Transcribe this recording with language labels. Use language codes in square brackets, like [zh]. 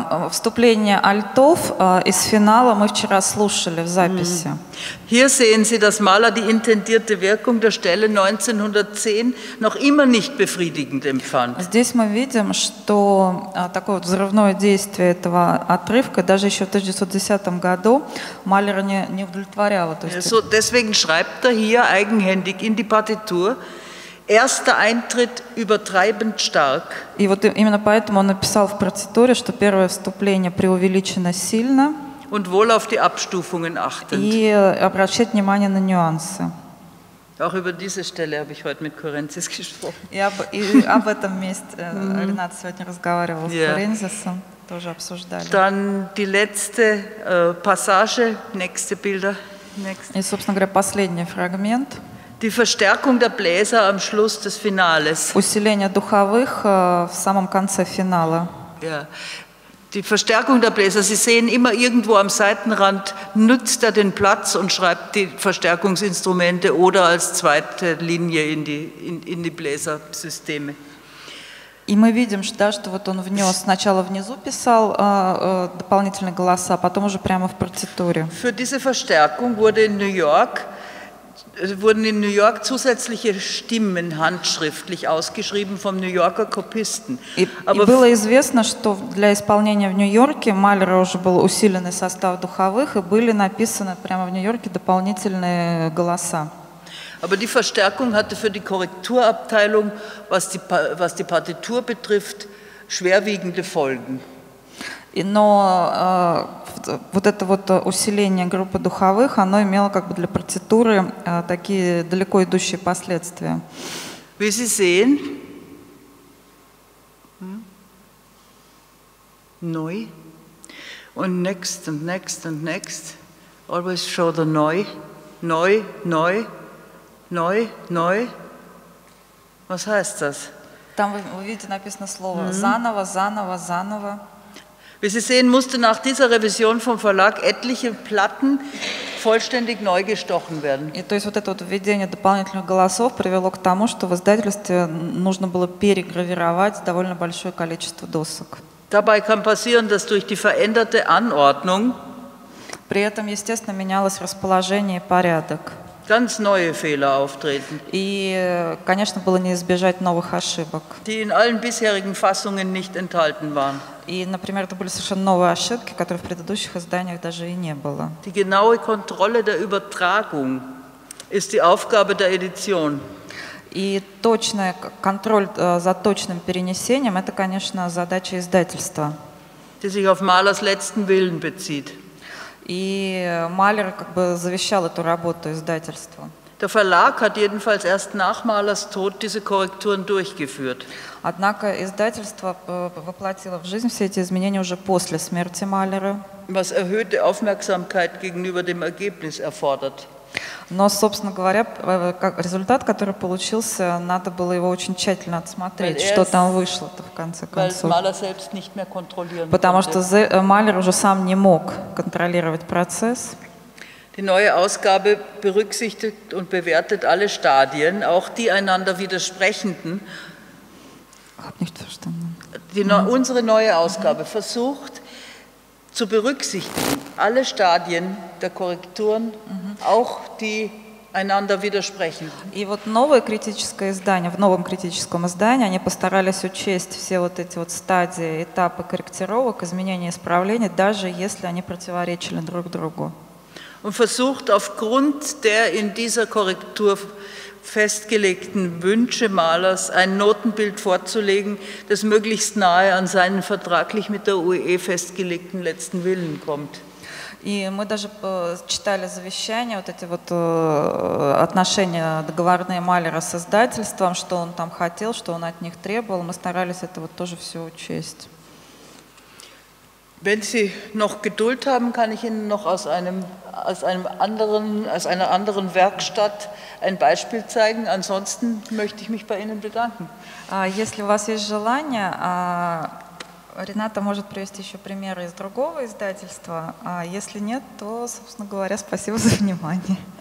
[ru] Вступление альтов из финала мы вчера слушали в записи. [de] Hier sehen Sie, dass Mahler die intendierte Wirkung der Stelle 1910 noch immer nicht befriedigend empfand. [ru] Здесь мы видим, что такое взрывное действие этого отрывка даже еще в 1910 году Mahler не удовлетворяло. [de] So, deswegen schreibt er hier eigenhändig in die Partitur: Erster Eintritt übertreibend stark. [ru] И вот именно поэтому он написал в партитуре, что первое вступление преувеличено сильно. [de] Und wohl auf die Abstufungen achtend. [ru] И обращать внимание на нюансы. [de] Auch über diese Stelle habe ich heute mit Corenzis gesprochen. [ru] И об этом месте Ренат сегодня разговаривал с Корензисом, тоже обсуждали. [de] Dann die letzte Passage, nächste Bilder. [ru] И, собственно говоря, последний фрагмент. [de] Die Verstärkung der Bläser am Schluss des Finales. [ru] Усиление духовых в самом конце финала. [de] Ja. Die Verstärkung der Bläser, Sie sehen immer irgendwo am Seitenrand, nutzt er den Platz und schreibt die Verstärkungsinstrumente oder als zweite Linie in die Bläsersysteme. [ru] И мы видим, что вот он внес, сначала внизу писал дополнительные голоса, потом уже прямо в партитуре. [de] Für diese Verstärkung wurde in New York zusätzliche Stimmen handschriftlich ausgeschrieben vom New Yorker Kopisten. Aber [ru] было известно, что для исполнения в Нью-Йорке Малера уже был усиленный состав духовых и были написаны прямо в Нью-Йорке дополнительные голоса. [de] Aber die Verstärkung hatte für die Korrekturabteilung, was die Partitur betrifft, schwerwiegende Folgen. [ru] Но вот это вот усиление группы духовых, оно имело как бы для партитуры такие далеко идущие последствия. [de] Wie Sie sehen, neu, und next, [en] and next, and next, always show the [de] neu, neu, neu, neu, neu, was heißt das? [ru] Там, вы видите, написано слово заново, заново, заново. [de] Wie Sie sehen, musste nach dieser Revision vom Verlag etliche Platten vollständig neu gestochen werden. [ru] И то есть вот это вот введение дополнительных голосов привело к тому, что в издательстве нужно было перегравировать довольно большое количество досок. [de] Dabei kann passieren, dass durch die veränderte Anordnung [ru] при этом, естественно, менялось расположение и порядок. [de] Ganz neue Fehler auftreten. [ru] И, конечно, было не избежать новых ошибок. [de] Die in allen bisherigen Fassungen nicht enthalten waren. [ru] И, например, это были совершенно новые ошибки, которых в предыдущих изданиях даже и не было. [de] Die genaue Kontrolle der Übertragung ist die Aufgabe der Edition. [ru] И точный контроль за точным перенесением – это, конечно, задача издательства. [de] Die sich auf Mahlers letzten Willen bezieht. [ru] И Малер как бы завещал эту работу издательству. [de] Der Verlag hat jedenfalls erst nach Mahlers Tod diese Korrekturen durchgeführt. [ru] Однако издательство воплотило в жизнь все эти изменения уже после смерти Малера. [de] Was erhöhte Aufmerksamkeit gegenüber dem Ergebnis erfordert. [ru] Но, собственно говоря, результат, который получился, надо было его очень тщательно отсмотреть, что там вышло-то в конце концов. [de] Maler selbst nicht mehr kontrollieren [ru] Потому что Малер уже сам не мог контролировать процесс. [de] Die neue Ausgabe berücksichtigt und bewertet alle Stadien, auch die einander widersprechenden. Hab nicht verstanden. Unsere neue Ausgabe versucht zu berücksichtigen alle Stadien der Korrekturen, auch die einander widersprechen. [ru] И вот новое критическое издание, в новом критическом издании они постарались учесть все вот эти вот стадии, этапы корректировок, изменения, исправления, даже если они противоречили друг другу. [de] Und versucht aufgrund der in dieser Korrektur festgelegten Wünsche Malers, ein Notenbild vorzulegen, das möglichst nahe an seinen vertraglich mit der UE festgelegten letzten Willen kommt. [ru] И мы даже читали завещание, вот эти вот отношения договорные Малера с издательством, что он там хотел, что он от них требовал. Мы старались это вот тоже все учесть. [de] Wenn Sie noch Geduld haben, kann ich Ihnen noch aus einer anderen Werkstatt ein Beispiel zeigen. Ansonsten möchte ich mich bei Ihnen bedanken. [ru] Если у вас есть желание, Рената может привести еще примеры из другого издательства, а если нет, то, собственно говоря, спасибо за внимание.